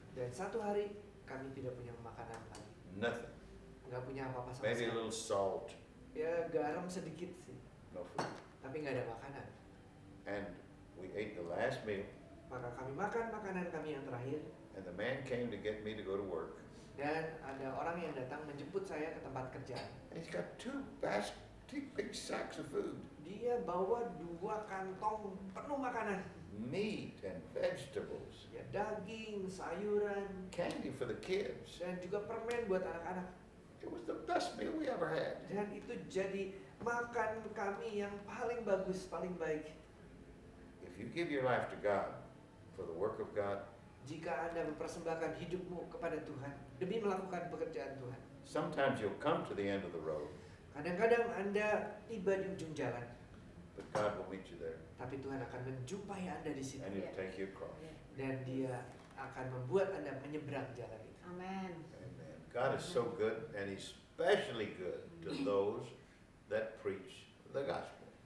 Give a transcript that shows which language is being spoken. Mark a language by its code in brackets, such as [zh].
[id] Dan satu hari kami tidak punya makanan lagi. [en] Nothing. [id] Enggak punya apa-apa sama sekali. [en] Maybe a little salt. [id] Ya, garam sedikit sih. [en] No food. [id] Tapi enggak ada makanan. [en] And we ate the last meal. [id] Maka kami makan makanan kami yang terakhir. [en] And the man came to get me to go to work. [id] Dan ada orang yang datang menjemput saya ke tempat kerja. [en] He's got two basket, big sacks of food. [id] Dia bawa dua kantong penuh makanan. [en] Meat and vegetables. [id] Ya, daging, sayuran. [en] Candy for the kids. [id] Dan juga permen buat anak-anak. [en] It was the best meal we ever had. [id] Dan itu jadi makan kami yang paling bagus, paling baik. [en] If you give your life to God for the work of God, [id] jika Anda mempersembahkan hidupmu kepada Tuhan demi melakukan pekerjaan Tuhan, [en] sometimes you'll come to the end of the road. [id] Kadang-kadang Anda tiba di ujung jalan. [en] But God will meet you there. [id] Tapi Tuhan akan menjumpai Anda di situ. [en] And He'll take you across. [id] Dan Dia akan membuat Anda menyeberang jalan itu. [en] Amen. [id] Amen. [en] God is so good, and especially good to those that preach the gospel.